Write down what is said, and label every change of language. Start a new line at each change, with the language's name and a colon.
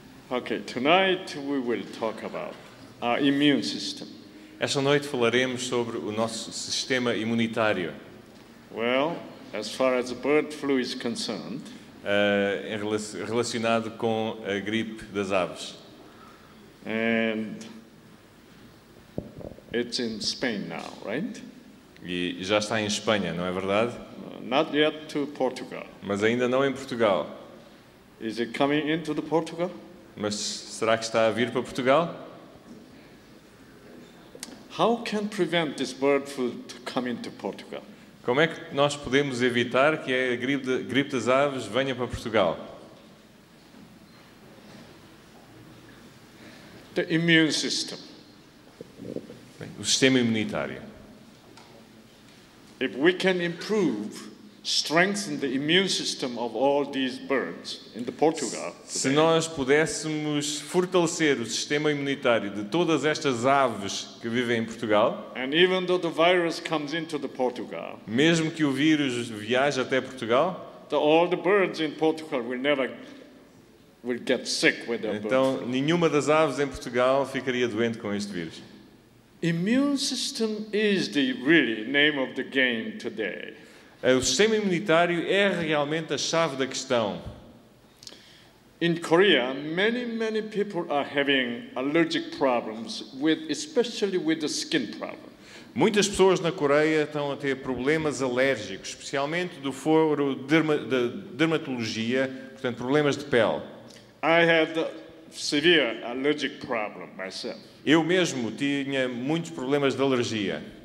English: Okay, tonight we will talk about our immune system.
Portuguese: Esta noite falaremos sobre o nosso sistema imunitário.
English: Well, as far as the bird flu is concerned,
Portuguese: relacionado com a gripe das aves.
English: And it's in Spain now, right?
Portuguese: E já está em Espanha, não é verdade?
English: Not yet to Portugal.
Portuguese: Mas ainda não em Portugal.
English: Is it coming into the Portugal?
Portuguese: Mas será que está a vir para Portugal?
English: How can prevent this bird flu to come into Portugal?
Portuguese: Como é que nós podemos evitar que a gripe das aves venha para Portugal?
English: The immune system.
Portuguese: Bem, o sistema imunitário.
English: If we can improve, strengthen the immune system of all these birds in the Portugal.
Portuguese: Se nós pudéssemos fortalecer o sistema imunitário de todas estas aves que vivem em Portugal.
English: And even though the virus comes into the Portugal.
Portuguese: Mesmo que o vírus viaje até Portugal.
English: All the birds in Portugal will never will get sick with the.
Portuguese: Então, nenhuma das aves em Portugal ficaria doente com este vírus.
English: Immune system is the really name of the game today.
Portuguese: O sistema imunitário é realmente a chave da questão.
English: In Korea, many people are having allergic problems with, especially with the skin problem.
Portuguese: Muitas pessoas na Coreia estão a ter problemas alérgicos, especialmente do foro de dermatologia, portanto, problemas de pele.
English: I had a severe allergic problem myself.
Portuguese: Eu mesmo tinha muitos problemas de alergia.